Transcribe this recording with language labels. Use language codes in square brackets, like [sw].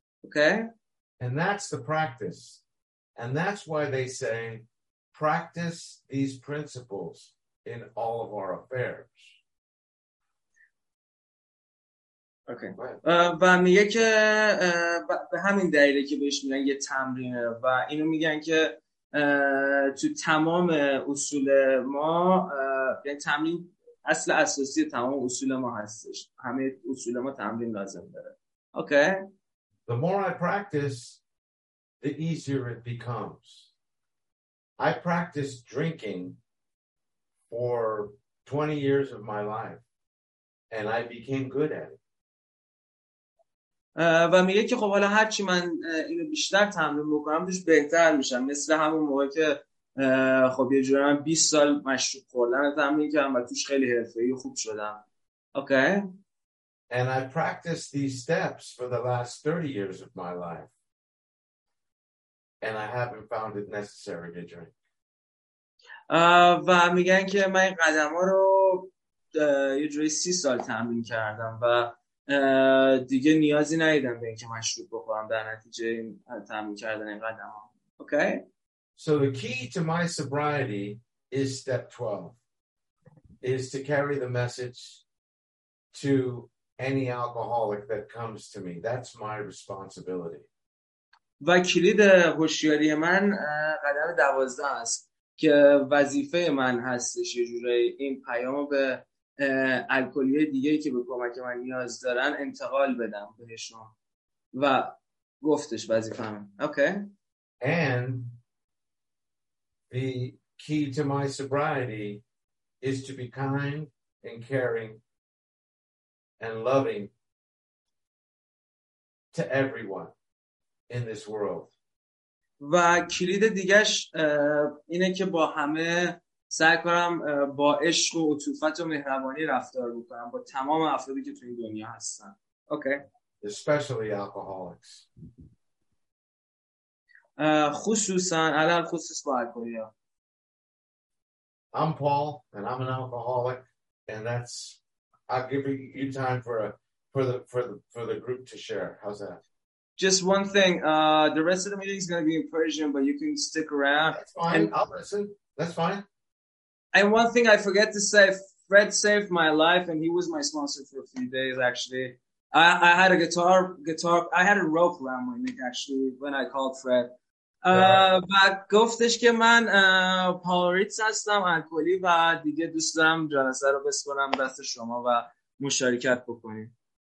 [en] Okay. And that's the practice, and that's why they say practice these principles in all of our affairs. Okay. [fa] و میگه که به همین دلیله که بهش میگن یه تمرینه و اینو میگن که تو تمام اصول ما یعنی تمرین اصل اساسی تمام اصول ما هستش، همه اصول ما تمرین لازم داره. [en] Okay. The more I practice, the easier it becomes. I practiced drinking for 20 years of my life. And I became good at it. [fa] و میگه که خب حالا هر چی من اینو بیشتر تمرین بکنم روش بهتر میشم، مثل همون موقعی که خب یه جوری من 20 سال مشروب خوردن تمرین کردم و توش خیلی حرفه‌ای خوب شدم. [en] Okay. And I practiced these steps for the last 30 years of my life. And I haven't found it necessary to drink. [fa] و میگن که من این قدم ها رو یه جوری 30 سال تمرین کردم و دیگه نیازی ندیدم به اینکه مشروب بخورم در نتیجه این تمرین کردن این قدم ها. [en] Okay? So the key to my sobriety is step 12. Is to carry the message to any alcoholic that comes to me. That's my responsibility. [fa] و کلید هوشیاری من قدم 12 است که وظیفه من هستش یه جوری این پیامو به الکلی دیگه که به کمک من نیاز دارن انتقال بدم بهشون و گفتش وظیفه‌م. [en] Okay. And the key to my sobriety is to be kind and caring and loving to everyone in this world. [fa] و کلید دیگه‌ش اینه که با همه سعی کنم با عشق و عطوفت و مهربانی رفتار بکنم با تمام افرادی که تو این دنیا هستن. [en] Okay. Especially alcoholics. [fa] خصوصا علل خصوص با الکلیا. [en] I'm Paul and I'm an alcoholic and that's I'll give you time for the group to share. How's that? Just one thing. The rest of the meeting is going to be in Persian, but you can stick around. That's fine. And I'll listen. That's fine. And one thing I forget to say, Fred saved my life, and he was my sponsor for a few days, actually. I had a guitar. I had a rope around my neck, actually, when I called Fred. But [fa] گفتش که من پاول ریتز هستم الکلی و دیگه دوست دارم جلسه رو بسپرم دست شما و مشارکت بکنیم.